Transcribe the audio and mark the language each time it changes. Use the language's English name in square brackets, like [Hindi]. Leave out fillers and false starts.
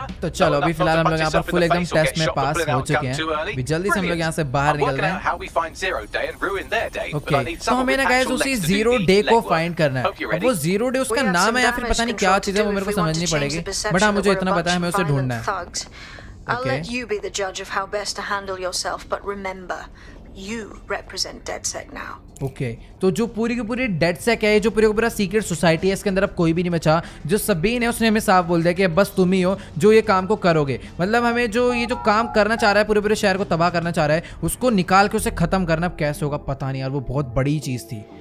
[Hindi] तो चलो अभी फिलहाल हम लोग यहाँ पर फुल एकदम टेस्ट में पास हो चुके हैं, अभी जल्दी से हम लोग यहाँ से बाहर निकल रहे हैं। ओके तो हमें ना गाइस उसी जीरो डे को फाइंड करना है। वो जीरो डे उसका नाम है या फिर पता नहीं क्या चीज है, वो मेरे को समझनी पड़ेगी। बट हाँ मुझे इतना पता है हमें उसे ढूंढना है। [English] Okay. I'll let you be the judge of how best to handle yourself, but remember, you represent DedSec now. Okay. [Hindi] तो जो पूरी की पूरी DedSec है, जो पूरी की पूरी सीक्रेट सोसाइटी है, इसके अंदर अब कोई भी नहीं बचा। जो सबीन है उसने हमें साफ बोल दिया कि बस तुम ही हो जो ये काम को करोगे। मतलब हमें जो ये जो काम करना चाह रहा है, पूरे पूरे शहर को तबाह करना चाह रहा है, उसको निकाल के उसे खत्म करना, अब कैसे होगा पता नहीं यार, वो बहुत बड़ी चीज थी।